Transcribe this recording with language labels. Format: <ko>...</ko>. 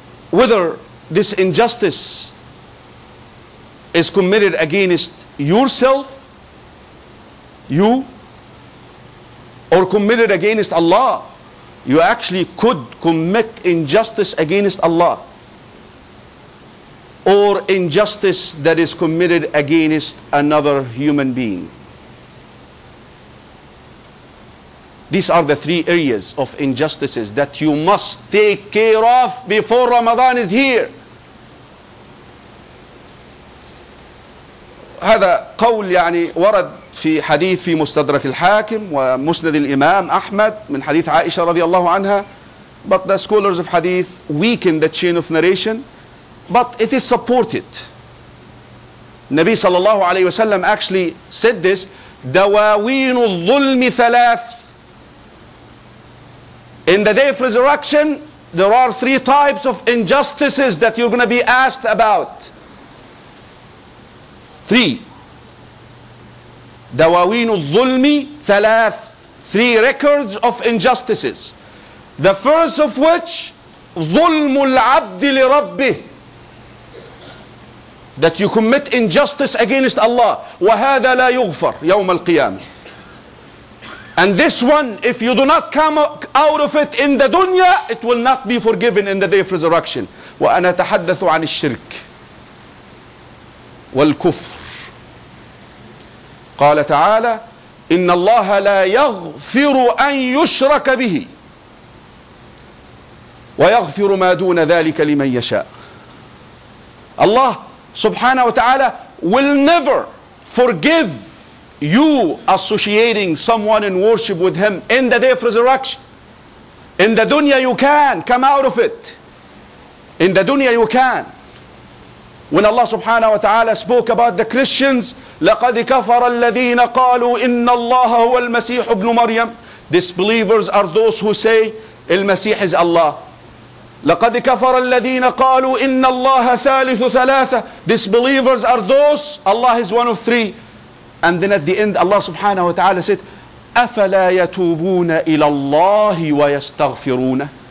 <en>Whether this injustice is committed against yourself, you, or committed against Allah, you actually could commit injustice against Allah, or injustice that is committed against another human being. These are the three areas of injustices that you must take care of before Ramadan is here.</en> <ar>هذا قول يعني ورد في حديث في مستدرك الحاكم ومسند الإمام أحمد من حديث عائشة رضي الله عنها.</ar> <en>But the scholars of hadith weaken the chain of narration, but it is supported.</en> <ar>النبي صلى الله عليه وسلم</ar> <en>actually said this.</en> <ar>دواوين الظلم ثلاث.</ar> <en>In the day of resurrection, there are three types of injustices that you're going to be asked about.</en> <ar>Three. دواوين الظلم ثلاث.</ar> <en>Three records of injustices. The first of which,</en> <ar>ظلم العبد لربه.</ar> <en>That you commit injustice against Allah.</en> <ar>وهذا لا يغفر يوم القيامة.</ar> <en>And this one, if you do not come out of it in the dunya, it will not be forgiven in the day of resurrection.</en> <ar>وأنا تحدث عن الشرك والكفر. قال تعالى إن الله لا يغفر أن يشرك به ويغفر ما دون ذلك لمن يشاء. الله سبحانه وتعالى</ar> <en>will never forgive you associating someone in worship with him in the day of resurrection. In the dunya you can come out of it. In the dunya you can. When Allah subhanahu wa ta'ala spoke about the Christians,</en> <ar>لَقَدْ كَفَرَ الَّذِينَ قَالُوا إِنَّ اللَّهَ هُوَ الْمَسِيحُ بْنُ مَرْيَمُ.</ar> <en>Disbelievers are those who say, Al-Masih is Allah.</en> <ar>لَقَدْ كَفَرَ الَّذِينَ قَالُوا إِنَّ اللَّهَ ثَالِثُ ثَلَاثَةَ.</ar> <en>Disbelievers are those, Allah is one of three. And then at the end, Allah subhanahu wa ta'ala said,</en> <ar>أَفَلَا يَتُوبُونَ إِلَى اللَّهِ وَيَسْتَغْفِرُونَ.</ar>